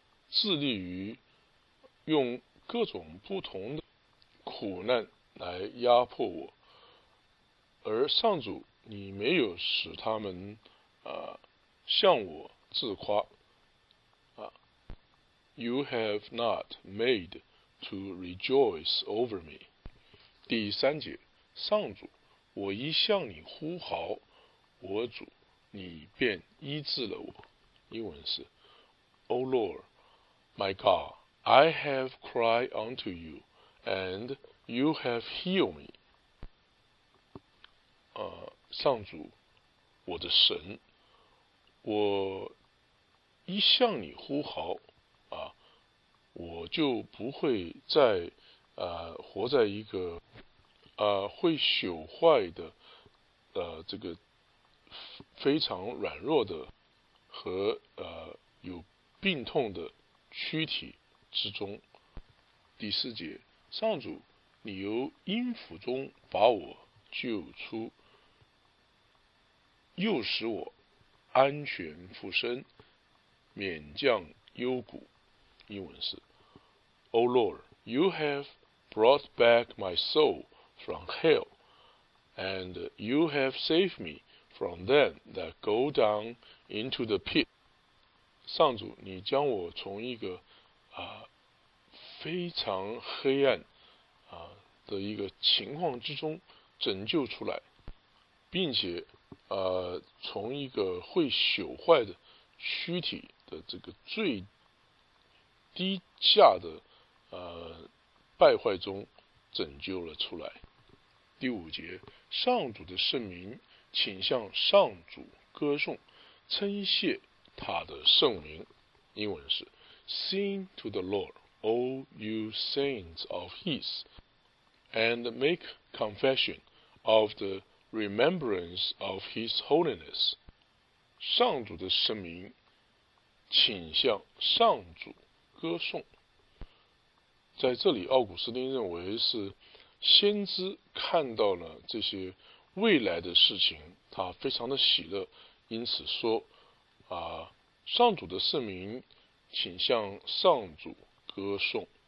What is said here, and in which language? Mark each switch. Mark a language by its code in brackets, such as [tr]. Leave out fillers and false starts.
[zh] 致力于用各种不同的苦难来压迫我而上主你没有使他们向我自夸 [en] You have not made to rejoice over me. [zh] 第三节，上主，我一向你呼号，我主，你便医治了我。英文是 [en] O Lord, my God, I have cried unto you, and you have healed me. [zh] 上主，我的神，我一向你呼号。我就不会再活在一个会朽坏的这个非常软弱的和有病痛的躯体之中。第四节，上主，你由阴府中把我救出，又使我安全复生，免降幽谷。英文是 [en] O Lord, you have brought back my soul from hell, and you have saved me from them that go down into the pit. [zh] 上主，你将我从一个非常黑暗的一个情况之中拯救出来，并且从一个会朽坏的躯体的这个最低下的败坏中拯救了出来。第五节，上主的圣名，请向上主歌颂，称谢他的圣名。英文是 [en] Sing to the Lord, O you saints of His, and make confession of the remembrance of His holiness. [zh] 上主的圣名，请向上主歌颂。在这里，奥古斯丁认为是先知看到了这些未来的事情，他非常的喜乐，因此说上主的圣名，请向上主歌颂，